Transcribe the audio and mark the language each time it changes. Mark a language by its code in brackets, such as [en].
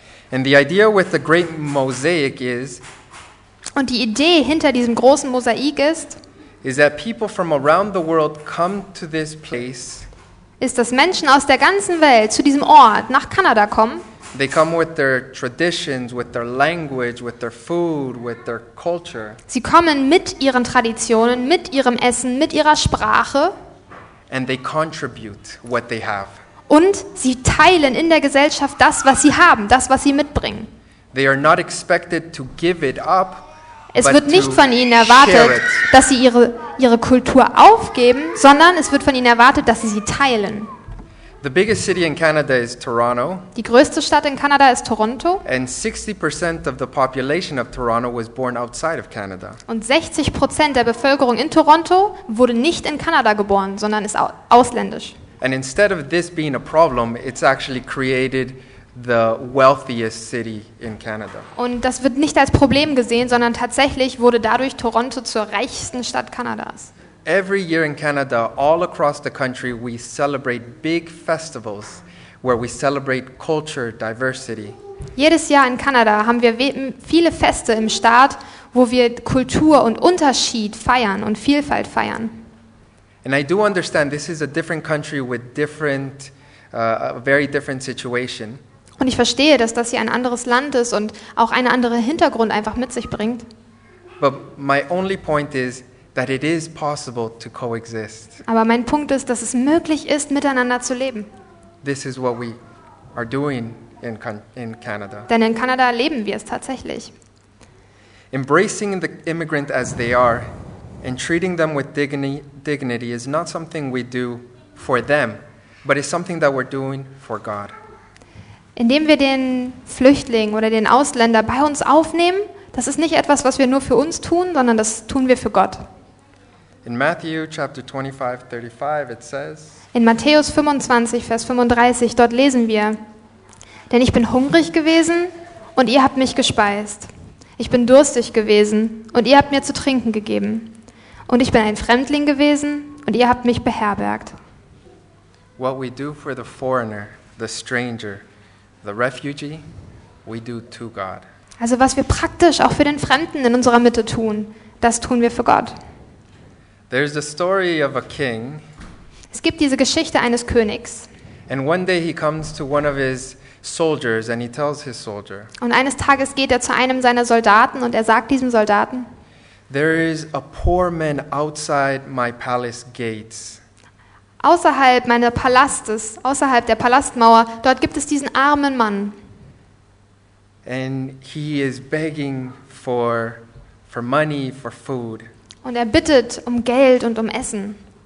[en] And the idea with the great mosaic is, [de] und die Idee hinter diesem großen Mosaik ist, [en] is that people from around the world come to this place. [de] Ist, dass Menschen aus der ganzen Welt zu diesem Ort nach Kanada kommen. [en] They come with their traditions, with their language, with their food, with their culture. [de] Sie kommen mit ihren Traditionen, mit ihrem Essen, mit ihrer Sprache. [en] And they contribute what they have. [de] Und sie teilen in der Gesellschaft das, was sie haben, das, was sie mitbringen. [en] They are not expected to give it up. [de] Es wird nicht von ihnen erwartet, dass sie ihre Kultur aufgeben, sondern es wird von ihnen erwartet, dass sie sie teilen. [en] The biggest city in Canada is Toronto. [de] Die größte Stadt in Kanada ist Toronto. [en] And 60% of the population of Toronto was born outside of Canada. [de] Und 60% der Bevölkerung in Toronto wurde nicht in Kanada geboren, sondern ist ausländisch. [en] And instead of this being a problem, it's actually created the wealthiest city in Canada. [de] Und das wird nicht als Problem gesehen, sondern tatsächlich wurde dadurch Toronto zur reichsten Stadt Kanadas. [en] Every year in Canada, all across the country, we celebrate big festivals where we celebrate culture diversity. [de] Jedes Jahr in Kanada haben wir viele Feste im Staat, wo wir Kultur und Unterschied feiern und Vielfalt feiern. [en] And I do understand this is a different country with different a very different situation. [de] Und ich verstehe, dass das hier ein anderes Land ist und auch einen anderen Hintergrund einfach mit sich bringt. [en] But my only point is that it is possible to coexist. [de] Aber mein Punkt ist, dass es möglich ist, miteinander zu leben. [en] This is what we are doing in Canada. [de] Denn in Kanada leben wir es tatsächlich. [en] Embracing the immigrant as they are and treating them with dignity is not something we do for them, but it's something that we're doing for God. [de] Indem wir den Flüchtling oder den Ausländer bei uns aufnehmen, das ist nicht etwas, was wir nur für uns tun, sondern das tun wir für Gott. [en] In Matthew chapter 25:35 it says, [de] in Matthäus 25, Vers 35, dort lesen wir, denn ich bin hungrig gewesen und ihr habt mich gespeist. Ich bin durstig gewesen und ihr habt mir zu trinken gegeben. Und ich bin ein Fremdling gewesen und ihr habt mich beherbergt. [en] What we do for the foreigner, the stranger, the refugee, we do to God. [de] Also was wir praktisch auch für den Fremden in unserer Mitte tun, das tun wir für Gott. [en] There's a story of a king. [de] Es gibt diese Geschichte eines Königs. [en] And one day he comes to one of his soldiers and he tells his soldier. [de] Und eines Tages geht er zu einem seiner Soldaten und er sagt diesem Soldaten. [en] There is a poor man outside my palace gates. [de] Außerhalb meines Palastes, außerhalb der Palastmauer, dort gibt es diesen armen Mann. [en] And he is begging for money, for food. [de] Und er bittet um Geld und um Essen.